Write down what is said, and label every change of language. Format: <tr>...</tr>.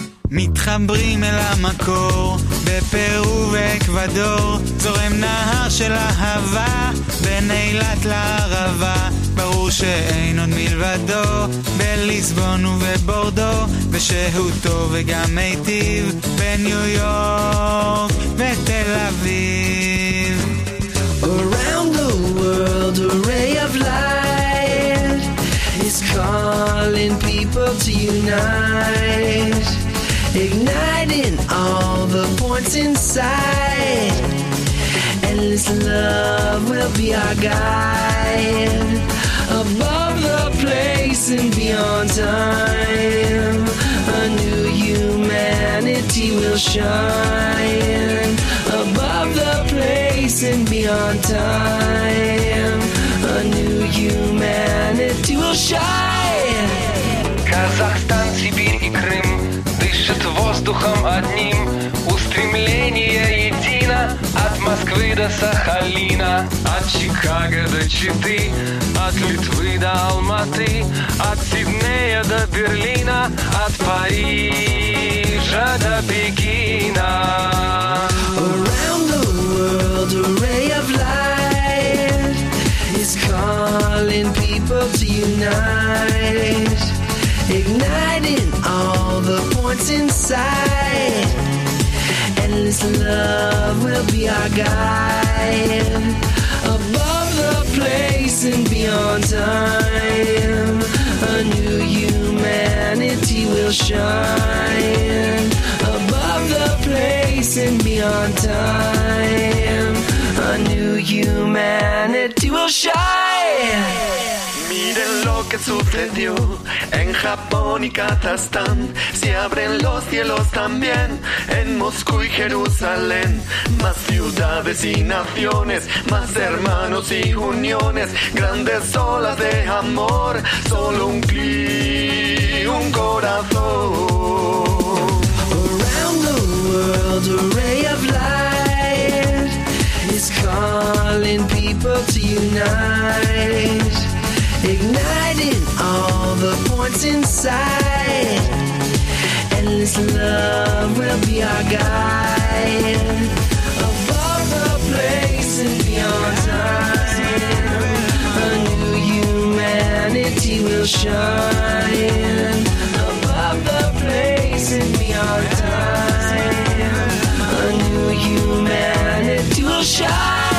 <he>מתחברים אל המקור, בפרו ואקוודור, זורם נהר של אהבה, בין אילת לערבה, ברור שאין עוד מלבדו, בליסבון ובבורדו, ושהוא טוב וגם מיטיב, בניו יורק ותל אביב.</he> <en>Around the world, a ray of light, is calling people to unite. Igniting all the points inside, endless love will be our guide, above the place and beyond time, a new humanity will shine, above the place and beyond time, a new humanity will shine.</en> <ru>Kazakhstan, Sibir and Krim дышит воздухом одним, устремление едино, от Москвы до Сахалина, от Чикаго до Читы, от Литвы до Алматы, от Сиднея до Берлина, от Парижа до Пекина.</ru> <en>Around the world a ray of light is calling people to unite, igniting all the points inside, endless love will be our guide, above the place and beyond time, a new humanity will shine, above the place and beyond time, a new humanity will shine.</en> <es>Mire lo que sucedió en Japón y Kazajstán, se abren los cielos también en Moscú y Jerusalén, más ciudades y naciones, más hermanos y uniones, grandes olas de amor, solo un clic, un corazón.</es> <en>Around the world a ray of light is calling people to unite, igniting all the points inside, endless love will be our guide, above the place and beyond time, a new humanity will shine, above the place and beyond time, a new humanity will shine.</en>